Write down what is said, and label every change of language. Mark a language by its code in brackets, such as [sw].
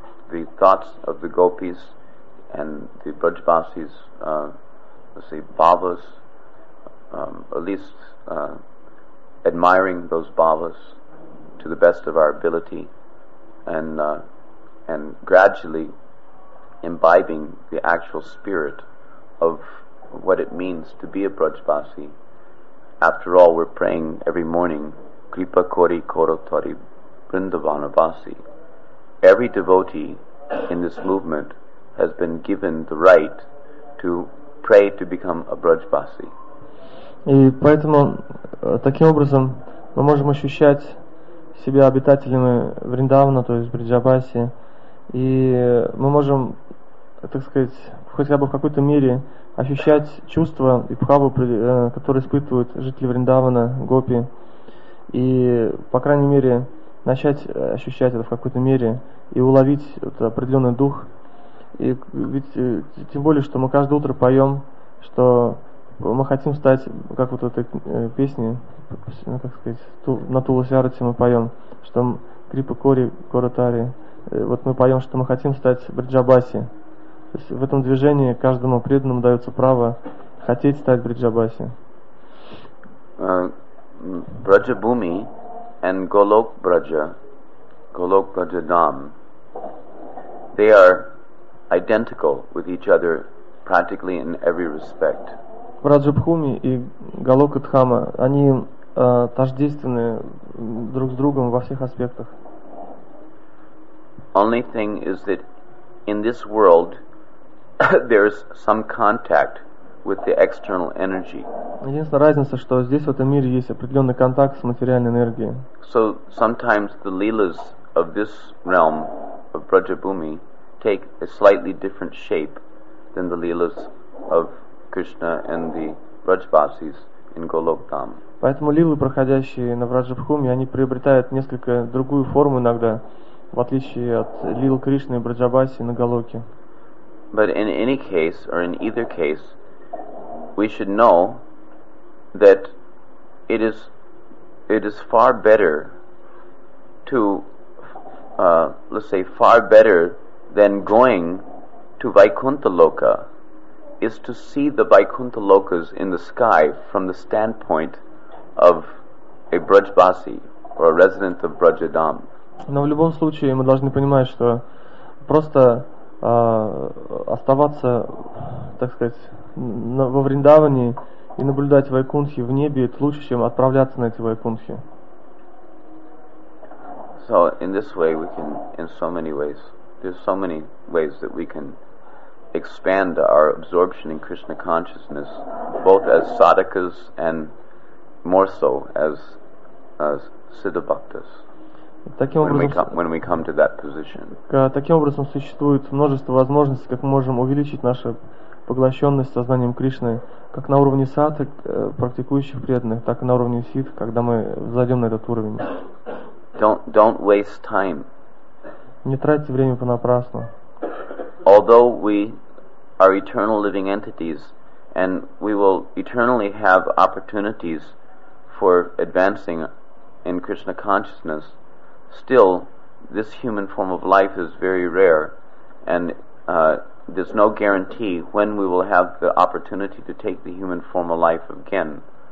[en] the thoughts of the gopis and the Brajvasis, let's say bhavas, at least admiring those bhavas to the best of our ability, and gradually imbibing the actual spirit of what it means to be a Brajvasi. After all, we're praying every morning, [bn] Kripa Kori Koro Tari Vrindavanavasi. [en] every devotee in this movement has been given the right to pray to become a Brajbasi. [ru] И поэтому таким образом мы можем ощущать себя обитателями Вриндавана, то есть Бриджабаси, и мы можем, так сказать, хотя бы в какой-то мере ощущать чувства и бхаву, которые испытывают жители Вриндавана, гопи, и, по крайней мере, начать ощущать это в какой-то мере и уловить вот определенный дух. И ведь тем более, что мы каждое утро поем, что мы хотим стать, как вот в этой песне, как сказать, на Тулусярате мы поем, что [bn] Крипа Кори, Коротари, [ru] вот мы поем, что мы хотим стать Бриджабаси. То есть в этом движении каждому преданному дается право хотеть стать Бриджабаси. [en] Браджабуми and Golok Braja, Golok Braja Dham, they are identical with each other practically in every respect. [ru] Браджабхуми и Голока Дхама, они тождественны друг с другом во всех аспектах. [en] Only thing is that in this world there is some contact with the external energy. [ru] Единственная разница, что здесь в этом мире есть определенный контакт с материальной энергией. [en] So sometimes the leelas of this realm of Brajabhumi take a slightly different shape than the leelas of Krishna and the Brajbasis in Golok Dham. [ru] Поэтому лилы, проходящие на Браджабхуми, они приобретают несколько другую форму иногда, в отличие от лил Кришны и Браджабаси на Голоке. [en] But in any case, or in either case, we should know that it is far better to let's say far better than going to Vaikuntha Loka is to see the Vaikuntha Lokas in the sky from the standpoint of a Brajbasi or a resident of Brajadham. [ru] Но в любом случае мы должны понимать, что просто оставаться, так сказать, во Вриндаване и наблюдать Вайкунтхи в небе, это лучше, чем отправляться на эти Вайкунтхи. [en] So in this way we can, in so many ways, there's so many ways that we can expand our absorption in Krishna consciousness, both as sadhakas and more so as siddha bhaktas. [ru] Таким образом, [en] when we come to that position. [ru] Таким образом существует множество возможностей, как мы можем увеличить нашу поглощенность сознанием Кришны, как на уровне садхак, практикующих преданных, так и на уровне сиддх, когда мы взойдем на этот уровень. [en] Don't waste time. [ru] Не тратьте время понапрасну. [en] Although we are eternal living entities, and we will eternally have opportunities for advancing in Krishna consciousness, still, this human form of life is very rare, and there's no guarantee when we will have the opportunity to take the human form of life again.